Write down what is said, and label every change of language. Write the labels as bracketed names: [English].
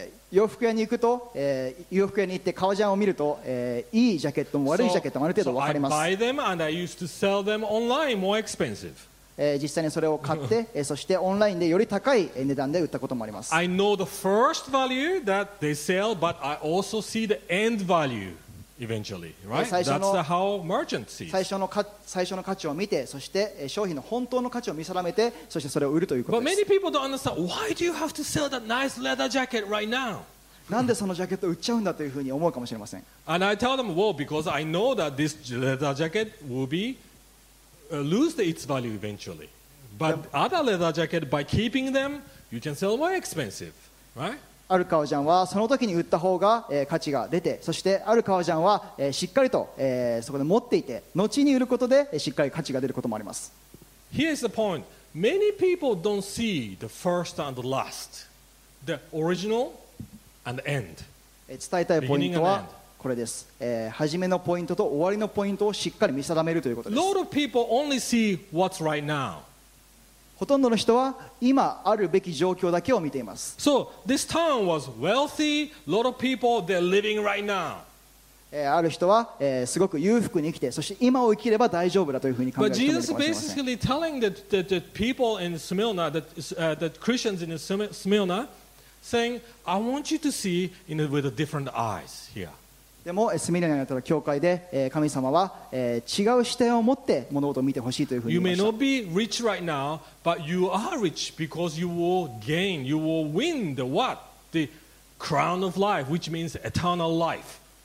[Japanese] 洋服屋に行くと、洋服屋に行って革ジャンを見ると、いいジャケットも悪いジャケットもある程度分かります。 [English] So, I buy them and I used to sell them online more expensive. [Japanese] 実際にそれを買って、そしてオンラインでより高い値段で売ったこともあります。 [English] I know the first value that they sell, but I also see the end value eventually, right? That's how merchant sees. [Japanese] 最初の価値を見て、そして商品の本当の価値を見定めて、そしてそれを売るということです。 [English] But many people don't understand why do you have to sell that nice leather jacket right now? [Japanese] なんでそのジャケット売っちゃうんだというふうに思うかもしれません。 [English] And I tell them, well, because I know that this leather jacket will be lose its value eventually. But other leather jacket, by keeping them, you can sell more expensive, right? [Japanese] アルカオジャンはその時に売った方が、価値が出て、そしてアルカオジャンは、しっかりと、そこで持っていて、後に売ることで、しっかり価値が出ることもあります。 [English] Here's the point. Many people don't see the first and the last. The original and the end. [Japanese] 伝えたいポイントはこれです。初めのポイントと終わりのポイントをしっかり見定めるということです。 [English] Lot of people only see what's right now. [Japanese] ほとんどの人は今あるべき状況だけを見ています。 [English] So, this town was wealthy, lot of people, they're living right now. [Japanese] ある人は、すごく裕福に生きて、そして今を生きれば大丈夫だというふうに考えているかもしれません。 [English] But Jesus basically telling the people in Smyrna, that Christians in Smyrna, saying, I want you to see in it with a different eyes here. [Japanese] でもスミルナにあった教会で神様は違う視点を持って物事を見てほしいというふうに言いました。 [English] You may not be rich right now, but you are rich because you will gain, you will win the what? The crown of life, which means eternal life.